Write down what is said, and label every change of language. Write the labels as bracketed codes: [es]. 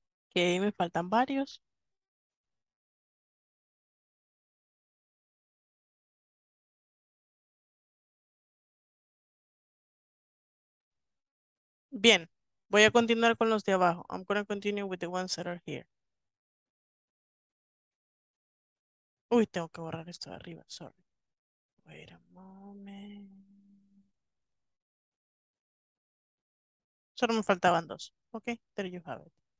[es] Okay, me faltan varios. Bien, voy a continuar con los de abajo. [en] I'm going to continue with the ones that are here. [es] Uy, tengo que borrar esto de arriba, sorry. [en] Wait a moment. [es] Solo me faltaban dos. [en] Okay, there you have it.